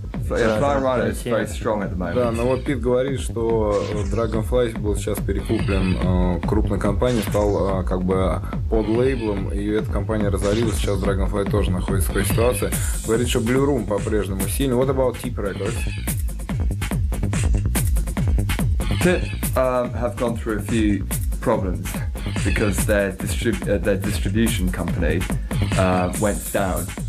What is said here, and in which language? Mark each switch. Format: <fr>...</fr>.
<en>Flying Rhino is very strong at the moment.</en> <ru>Да, но вот Пит говорит, что Dragonfly был сейчас перекуплен крупной компанией, стал как бы под лейблом, и эта компания разорилась. Сейчас Dragonfly тоже находится в такой ситуации. Говорит, что Blue Room по-прежнему сильный.</ru> <en>What about Tip Records? Tip have gone through a few problems because their distribution company went down.</en>